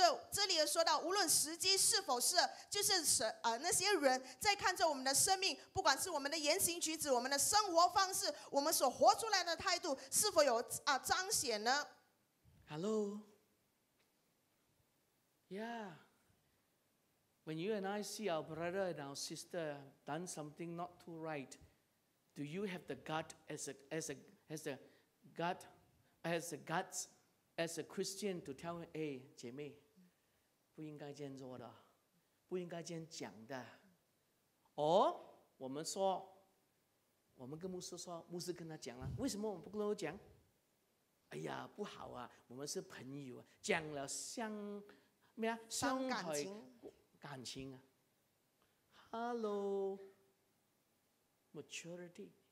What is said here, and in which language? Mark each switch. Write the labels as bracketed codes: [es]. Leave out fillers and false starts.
[zh] 这里说到无论时机是否是就是那些人在看着我们的生命不管是我们的言行举止我们的生活方式我们所活出来的态度是否有彰显呢 [en] Hello? Yeah, when you and I see our brother and our sister done something not too right, do you have the gut as a guts as a Christian to tell him, "Hey, [zh] 姐妹，不应该这样做的，不应该这样讲的。 Or, 我们说，我们跟牧师说，牧师跟他讲了，为什么我们不跟他讲？哎呀，不好啊，我们是朋友，讲了像。什么啊？伤感情，感情啊。 [en] Hello, maturity,